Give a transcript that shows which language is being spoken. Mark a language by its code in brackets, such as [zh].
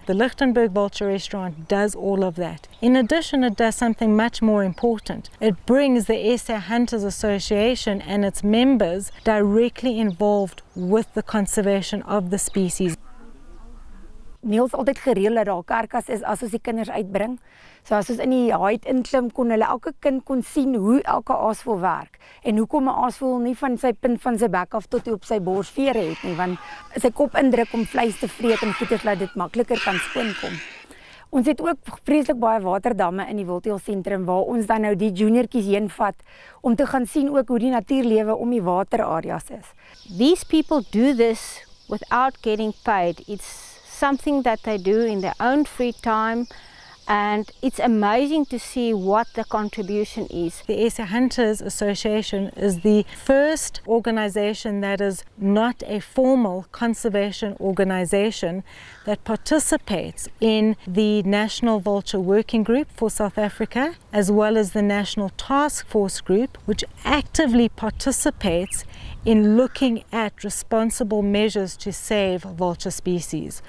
[en] The Lichtenberg Vulture Restaurant does all of that. In addition, it does something much more important. It brings the SA Hunters Association and its members directly involved with the conservation of the species. [af] Niels altyd gereël dat daar karkas is as ons die kinders uitbring. So as ons in die haid inklim kon hulle elke kind kon sien hoe elke aasvoël werk en hoekom 'n aasvoël nie van sy punt van sy bek af tot op sy borsvere het nie, want sy kop indruk om vleis te vreet en goeders laat dit makliker kan skoonkom. Ons het ook vreeslik baie waterdamme in die wildtuinsentrum waar ons dan nou die juniertjies heenvat om te gaan sien ook hoe die natuurlewe om die waterareas is. [en] These people do this without getting paid. It's something that they do in their own free time, and it's amazing to see what the contribution is. The SA Hunters Association is the first organization that is not a formal conservation organization that participates in the National Vulture Working Group for South Africa, as well as the National Task Force Group, which actively participates in looking at responsible measures to save vulture species.